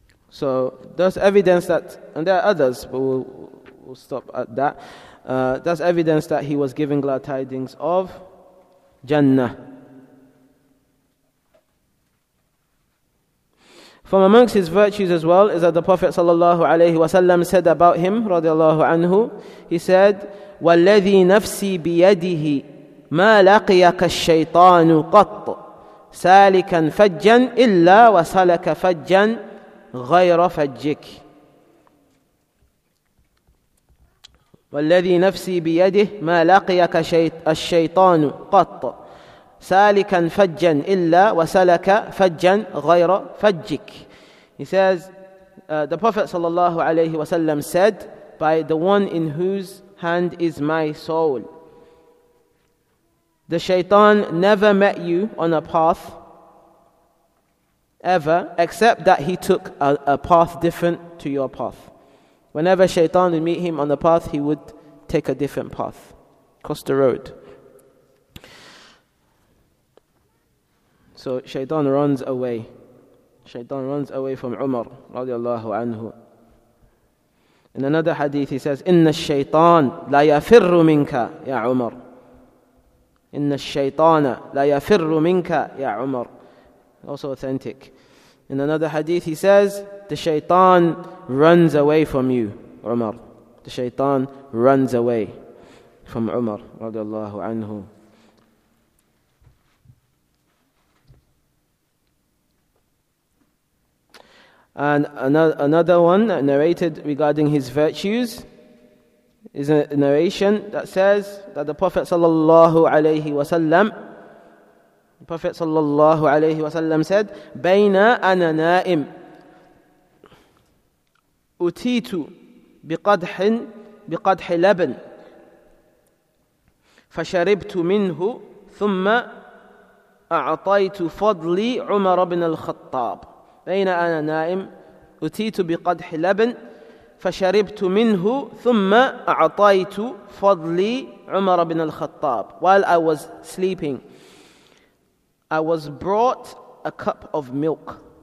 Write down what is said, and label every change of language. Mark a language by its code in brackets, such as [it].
[en] So that's evidence that, and there are others, but we'll stop at that. That's evidence that he was giving glad tidings of Jannah. From amongst his virtues as well is that the Prophet sallallahu alayhi wa sallam said about him, radiallahu anhu, he said, [ar] وَالَّذِي نَفْسِي بِيَدِهِ مَا لَقِيَكَ الشَّيْطَانُ قَطُّ سَالِكًا فَجًّا إِلَّا وَسَلَكَ فَجًّا غَيْرَ فَجِّكِ وَالَّذِي نَفْسِي بِيَدِهِ مَا لَقِيَكَ الشَّيْطَانُ قَطُّ سالكا فجا إلا وسلك فجا غير فجك. [en] He says, the Prophet sallallahu alayhi wa sallam said, by the one in whose hand is my soul, the shaitan never met you on a path ever, except that he took a path different to your path. Whenever shaitan would meet him on the path, he would take a different path, cross the road. So shaitan runs away. Shaitan runs away from Umar radiallahu anhu. In another hadith he says, [ar] إِنَّ الشَّيْطَانَ لَا يَفِرُّ مِنْكَ يَا عُمَرْ إِنَّ الشَّيْطَانَ لَا يَفِرُّ مِنْكَ يَا عُمَرْ. [en] Also authentic. In another hadith he says, the shaitan runs away from you, Umar. The shaitan runs away from Umar radiallahu anhu. And another one that narrated regarding his virtues is a narration that says that the Prophet sallallahu alayhi wa sallam, the Prophet sallallahu alayhi wa sallam said, [ar] بَيْنَا أَنَا نَائِمْ أُتِيتُ بِقَدْحٍ بِقَدْحِ لَبَنْ فَشَرِبْتُ مِنْهُ ثُمَّ أَعْطَيْتُ فَضْلِي عُمَرَ بْنَ الْخَطَّابِ بين أنا نائم أتيت بقدح لبن فشربت منه ثم أعطيت فضلي عمر بن الخطاب. [en] While I was sleeping, I was brought a cup of milk.